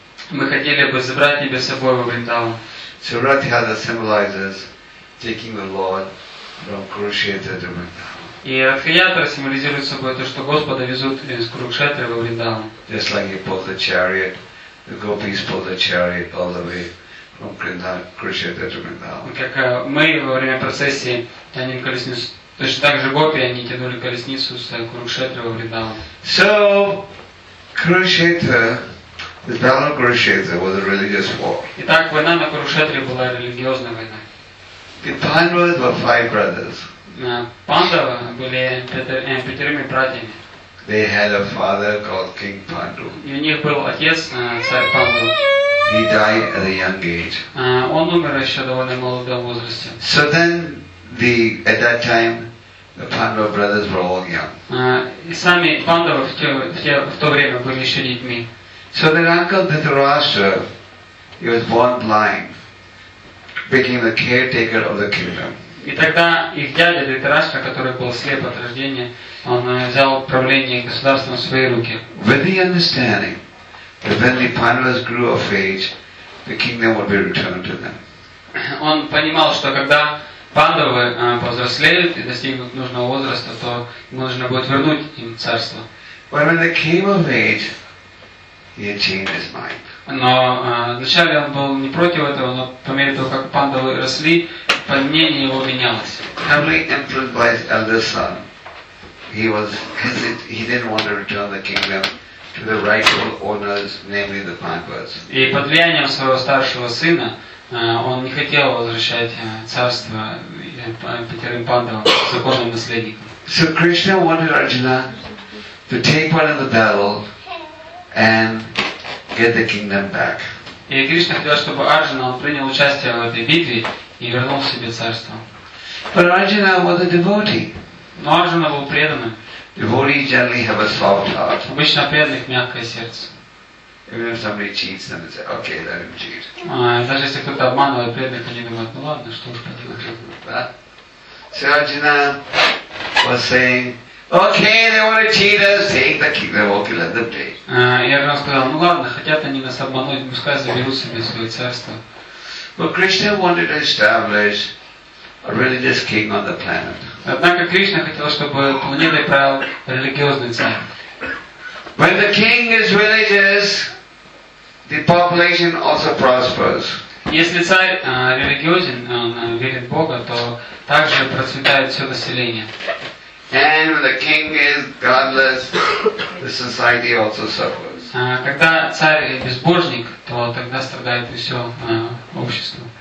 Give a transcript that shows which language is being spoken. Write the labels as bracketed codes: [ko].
[ru] Мы хотели бы забрать тебя с собой во Вриндаван. [en] So Ratihada symbolizes taking the Lord from Kurukshetra to Vrindavan. [ru] И Ратхиятра символизирует собой то, что Господа везут из Курукшетры во Вриндаван. [en] Just like he pulled the chariot, the gopis pulled the chariot all the way. [ru] Как мы во время процессии тянем колесницу, точно так же гопи, они тянули колесницу с Курукшетры во Вриндаван. [en] So, Kurukshetra, the battle of Kurukshetra was a religious war. [ru] Итак, война на Курукшетре была религиозной войной. [en] The Pandavas were five brothers. [ru] Пандавы были пятерыми братьями. [en] They had a father called King Pandu. [ru] И у них был отец, царь Панду. [en] He died at a young age. [ru] Он умер еще довольно молодом возрасте. [en] So then, the at that time, the Pandava brothers were all young. [ru] И сами Пандавы в то время были еще детьми. [en] So their uncle Dhritarashtra, he was born blind, became the caretaker of the kingdom. [ru] И тогда их дядя Дхритараштра, который был слеп от рождения, он взял правление государством в свои руки. [en] With the understanding. But when the Pandavas grew of age, the kingdom would be returned to them. [ru] Он понимал, что когда Пандавы повзрослеют и достигнут нужного возраста, то ему нужно будет вернуть им царство. [en] But when they came of age, he had changed his mind. [ru] Но вначале он был не против этого, но по мере того, как Пандавы росли, мнение его менялось. [en] Heavily influenced by his elder son, he didn't want to return the kingdom. To the rightful owners, namely the Pandavas. [ru] И под влиянием своего старшего сына он не хотел возвращать царство пятерым Пандавам, законным наследникам. [en] So Krishna wanted Arjuna to take part in the battle and get the kingdom back. [ru] И Кришна хотел, чтобы Арджуна принял участие в этой битве и вернул себе царство. [en] But Arjuna was a devotee. [ru] Но Арджуна был преданным. [en] Devotees generally have a soft heart. [ru] Обычно преданных мягкое сердце. [en] Even if somebody cheats them, they say, "Okay, let him cheat." [ru] Даже если кто-то обманывает преданных, они думают, ну ладно, что уж поделать. [en] So Arjuna was saying, "Okay, they want to cheat us. Take the kingdom. Okay, let them take." [ru] И Арджуна сказал, ну ладно, хотят они нас обмануть, пускай заберут себе свое царство. [en] But Krishna wanted to establish a religious king on the planet. [ru] Однако Кришна хотел, чтобы планетой правил религиозный царь. [en] When the king is religious, the population also prospers. [ru] Если царь религиозен, он верит в Бога, то также процветает все население. [en] And when the king is godless, the society also suffers. [ru] Когда царь безбожник, то тогда страдает все общество.